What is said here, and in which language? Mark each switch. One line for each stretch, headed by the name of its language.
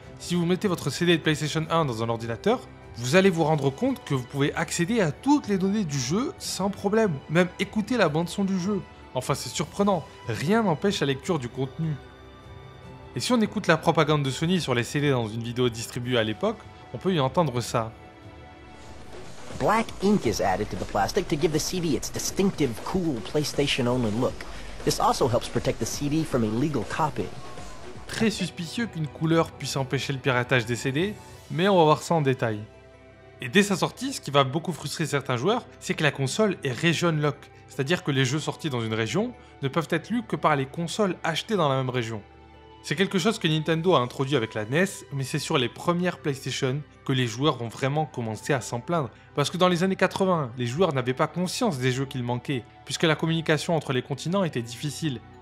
French: Si vous mettez votre CD de PlayStation 1 dans un ordinateur, vous allez vous rendre compte que vous pouvez accéder à toutes les données du jeu sans problème, même écouter la bande-son du jeu. Enfin, c'est surprenant, rien n'empêche la lecture du contenu. Et si on écoute la propagande de Sony sur les CD dans une vidéo distribuée à l'époque, on peut y entendre ça.
English: Black ink is added to the plastic to give the CD its distinctive, cool PlayStation-only look. This also helps protect the CD from illegal copying.
French: Très suspicieux qu'une couleur puisse empêcher le piratage des CD, mais on va voir ça en détail. Et dès sa sortie, ce qui va beaucoup frustrer certains joueurs, c'est que la console est region lock, c'est-à-dire que les jeux sortis dans une région ne peuvent être lus que par les consoles achetées dans la même région. C'est quelque chose que Nintendo a introduit avec la NES, mais c'est sur les premières PlayStation que les joueurs vont vraiment commencer à s'en plaindre, parce que dans les années 80, les joueurs n'avaient pas conscience des jeux qu'ils manquaient, puisque la communication entre les continents était difficile.